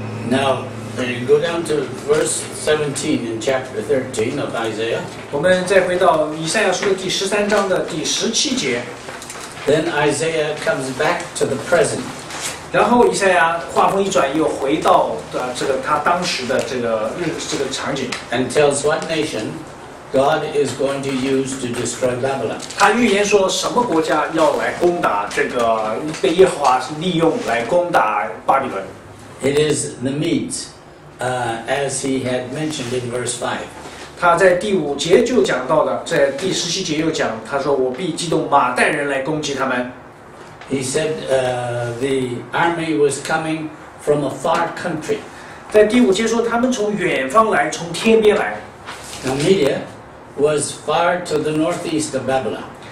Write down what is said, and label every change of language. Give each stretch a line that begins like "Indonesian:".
English: Now, go down to verse 17 in chapter 13 of Isaiah.
Chinese: 我们再回到以赛亚书的第十三章的第十七节。
English: Then Isaiah comes back to the present.
Chinese: 然后以赛亚话锋一转，又回到这个他当时的这个场景。
English: And tells what nation God is going to use to destroy Babylon.
Chinese: 他预言说什么国家要来攻打这个被耶和华利用来攻打巴比伦。
English: It is the Medes, as he had mentioned in verse 5.
Chinese: 他在第五节就讲到的，在第十七节又讲，他说我必激动马代人来攻击他们。
English: He said the army was coming from a far country.
Chinese: 在第五节说他们从远方来，从天边来。
English: Now Media was far to the northeast of Babylon.